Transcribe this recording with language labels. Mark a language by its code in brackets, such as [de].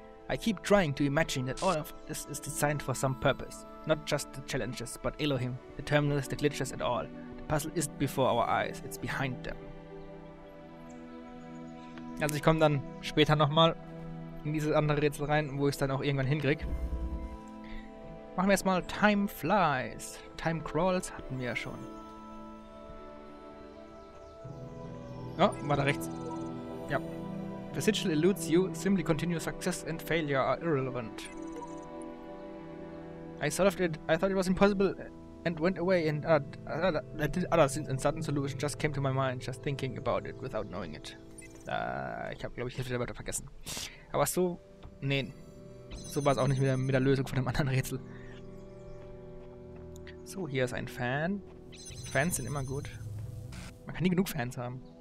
[en] I keep trying to imagine that all of this is designed for some purpose. Not just the challenges, but Elohim, the terminals, the glitches and all. The puzzle isn't before our eyes, it's behind them. [de] Also ich komme dann später nochmal in dieses andere Rätsel rein, wo ich es dann auch irgendwann hinkrieg. Machen wir erstmal Time Flies. Time Crawls hatten wir ja schon. Oh, war da rechts. Ja. [en] The sigil eludes you, simply continue success and failure are irrelevant. I solved it, I thought it was impossible and went away and other sudden solution just came to my mind, just thinking about it without knowing it. [de] Ich habe, glaube ich, Hilfe der Wörter vergessen. Aber so, nee, so war es auch nicht mit der Lösung von dem anderen Rätsel. So, hier ist ein Fan. Fans sind immer gut. Man kann nie genug Fans haben.